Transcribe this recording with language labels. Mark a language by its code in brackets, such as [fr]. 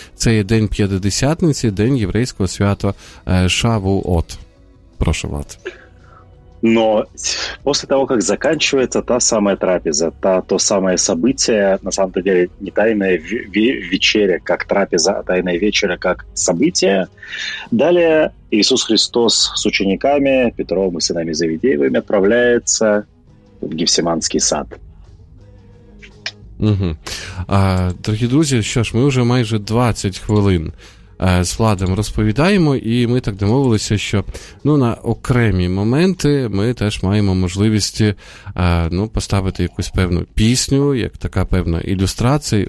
[uk] Це є день П'ятидесятниці, день єврейського свята Шавуот. Прошу, Влад. [ru] Но после того, как заканчивается та самая трапеза, то самое событие, на самом-то деле не тайная вечеря, как трапеза, а тайная вечеря, как событие, далее Иисус Христос с учениками, Петром и сынами Завидеевыми, отправляется в Гефсиманский сад. Угу. Дорогие друзья, что ж, [uk] мы уже майже 20 хвилин з Владом розповідаємо, і ми так домовилися, що ну, на окремі моменти ми теж маємо можливість ну, поставити якусь певну пісню, як така певна ілюстрація.